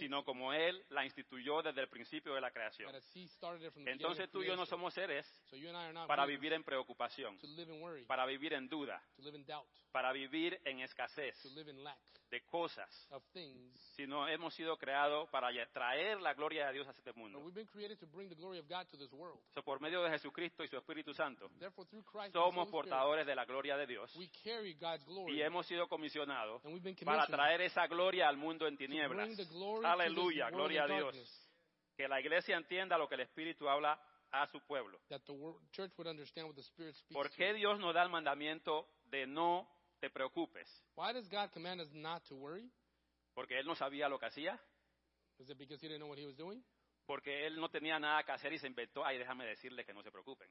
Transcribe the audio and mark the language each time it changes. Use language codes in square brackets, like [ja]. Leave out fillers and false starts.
[es] sino como Él la instituyó desde el principio de la creación. [en] As he started it from the [es] entonces [en] beginning [es] tú y yo no somos seres [en] so you and I are not [es] para vivir en preocupación, [en] to live in worry, [es] para vivir en duda, [en] to live in doubt, [es] para vivir en escasez, [en] to live in lack [es] de cosas, [en] of things, [es] sino hemos sido creados para traer la gloria de Dios a este mundo. [en] We've been created to bring the glory of God to this world. [es] So por medio de Jesucristo y su Espíritu Santo, [en] therefore, through Christ, [es] somos portadores de la gloria de Dios, [en] we carry God's glory, [es] y hemos sido comisionados, [en] and we've been [es] para traer esa gloria al mundo en tinieblas. [en] To bring the glory. [es] Aleluya, gloria a Dios. [en] Darkness. [es] Que la iglesia entienda lo que el Espíritu habla a su pueblo. [en] That the church would understand what the Spirit speaks. [es] ¿Por qué Dios nos da el mandamiento de no te preocupes? [en] Why does God command us not to worry? [es] ¿Porque Él no sabía lo que hacía? [en] Is it because He didn't know what He was doing? [es] ¿Porque Él no tenía nada que hacer y se inventó, ay, déjame decirle que no se preocupen?